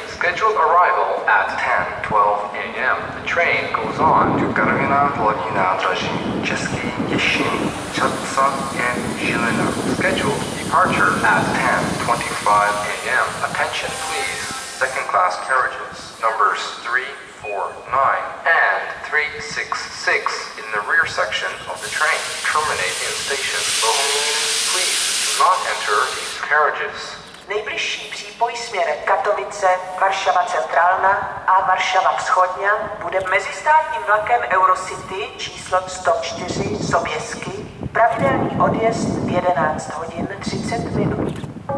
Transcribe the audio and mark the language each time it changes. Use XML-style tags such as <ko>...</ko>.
<en>Scheduled arrival at 10:12 a.m. The train goes on to Karviná hlavní nádraží, Český Těšín, Čaca and Žilina. Scheduled departure at 10:25 a.m. Attention please. Second class carriages numbers 349 and 366 in the rear section of the train. Terminate in station Bohumín. Please do not enter these carriages.</en> <cs>Nejbližší přípoj směrem Katovice, Varšava Centrálna a Varšava Vschodňa bude mezistátním vlakem Eurocity číslo 104 Sobiesky. Pravidelný odjezd v 11 hodin 30 minut.</cs>